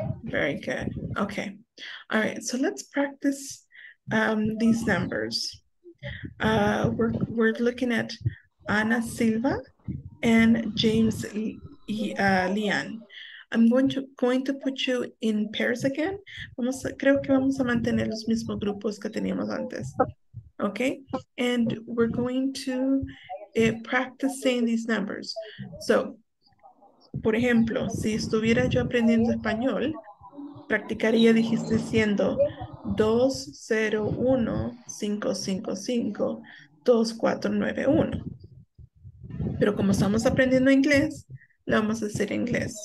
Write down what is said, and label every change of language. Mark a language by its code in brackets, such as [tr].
[en] Very good. Okay. All right. So let's practice these numbers. We're looking at Ana Silva and James Leon. I'm going to put you in pairs again. [es] Creo que vamos a mantener los mismos grupos que teníamos antes. [en] Okay. And we're going to practice saying these numbers. [es] So, por ejemplo, si estuviera yo aprendiendo español, practicaría diciendo 201-555-2491. Pero como estamos aprendiendo inglés, lo vamos a decir en inglés.